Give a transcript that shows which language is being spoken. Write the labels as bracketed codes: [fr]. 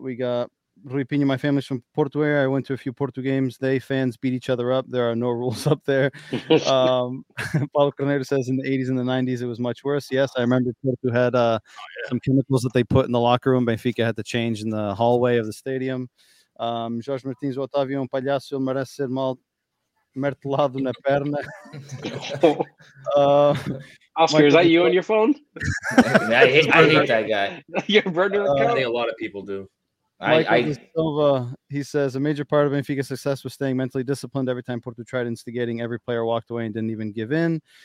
[en] We got Rui Pinho, my family's from Porto. I went to a few Porto games. They fans beat each other up. There are no rules up there. Paulo Carneiro says in the 80s and the 90s, it was much worse. Yes, I remember Porto had some chemicals that they put in the locker room. Benfica had to change in the hallway of the stadium. [pt] Jorge Martins, Otávio, um palhaço, ele merece ser mal martelado na perna. [en] Oscar, Michael, is that you on your phone? I hate that guy. You're burning the I think a lot of people do. Michael Silva, he says, a major part of Benfica's success was staying mentally disciplined. Every time Porto tried instigating, every player walked away and didn't even give in.